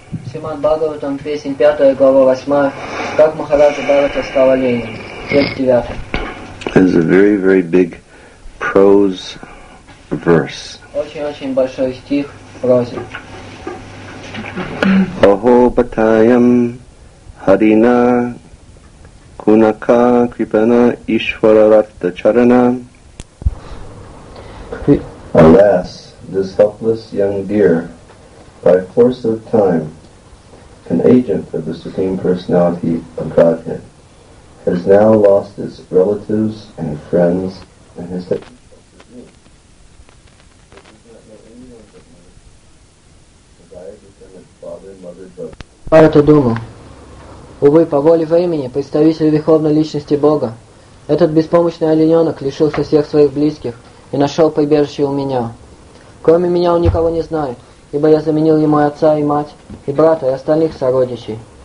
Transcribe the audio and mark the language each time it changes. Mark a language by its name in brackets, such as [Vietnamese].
[Russian] Шримад Бхагаватам, песня 5, глава 8. Как Махараджа Бхарата стал оленем? Текст 9. [English] This is a very, very big prose verse. [Russian] Очень-очень большой стих в прозе. [Sanskrit] Охо батаям харина кунака крипана ишвара ратта чарана. [English] Alas, this helpless young deer, by force of time, an agent of the Supreme Personality of Godhead, has now lost its relatives and friends and has taken shelter in me. It does not know anyone but me. The guide within its father, mother, brother. [Russian] Бхарата думал, увы, по воле времени, представитель Верховной Личности Бога, этот беспомощный олененок лишился всех своих близких и нашел прибежище у меня. Кроме меня он никого не знает, ибо я заменил ему и отца, и мать, и брата, и остальных сородичей.